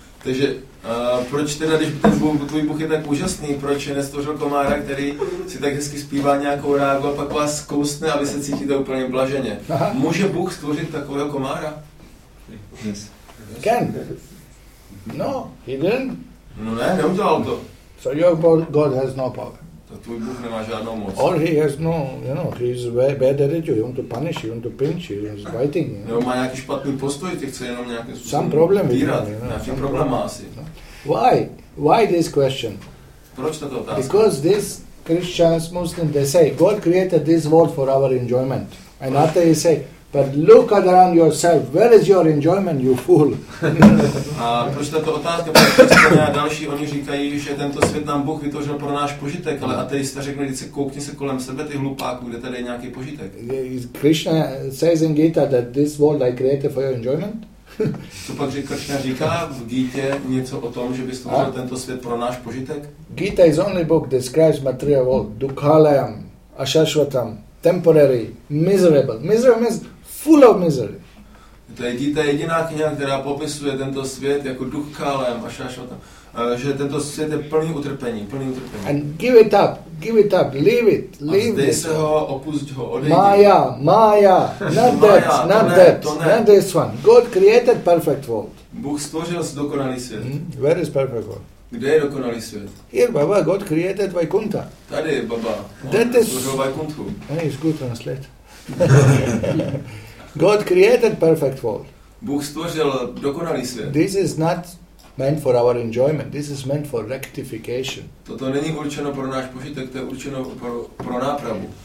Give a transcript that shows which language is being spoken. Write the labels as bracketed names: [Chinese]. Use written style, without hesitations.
[Czech] Takže proč teda, když ten Bůh, tvůj Bůh je tak úžasný, proč je nestvořil komára, který si tak hezky zpívá nějakou rágu a pak vás kousne a vy se cítíte úplně blaženě? Aha. Může Bůh stvořit takového komára? [English] Yes. Can. No, he didn't. [Czech] No ne, neudělal to. [English] So your God has no power. [Czech] Tak tvůj Bůh nemá žádnou moc. [English] Or he has no, you know, he is bad at it, you want to punish, you want to pinch, he is biting. [Czech] Nebo má nějaký špatný postoj, ty chce jenom nějaký způsob [English] some problem [Czech] týrat, [English] you know, [Czech] nějaký problém má asi. [English] Why? Why this question? [Czech] Proč tato otázka? [English] Because these Christians, Muslims, they say, God created this world for our enjoyment. [Czech] And proč? [English] After they say, but look around yourself, where is your enjoyment, you fool? [Czech] A proč tato otázka, protože to nějak další, oni říkají, že tento svět nám Bůh vytvořil pro náš požitek, ale ateista řekne, když se koukni se kolem sebe, ty hlupáku, kde tady je nějaký požitek? [English] Krishna says in Gita that this world I created for your enjoyment? [Czech] Co pak že Krishna říká v Gita něco o tom, že by stvořil tento svět pro náš požitek? [English] Gita is only book that describes material world, Dukhalayam, Ashashvatam. Temporary, miserable. Miserable means full of misery. [Czech] To je ta jediná kniha, která popisuje tento svět jako duchkálem, ašašvatam, že tento svět je plný utrpení. [English] And give it up, leave it, leave it. [Czech] A zdej se ho, opust ho, odejdi. [English] Maya, not this one. God created perfect world. [Czech] Bůh stvořil dokonalý svět. [English] Where is perfect world? [Czech] Kde je dokonalý svět? [English] Here, Baba, God created Vaikuntha. [Czech] Tady, Baba, stvořil Vaikunthu. [English] That is good translate. God created perfect world. [Czech] Bůh stvořil dokonalý svět. [English] This is not meant for our enjoyment, this is meant for rectification. [Czech] Toto není určeno pro náš požitek, to je určeno pro nápravu.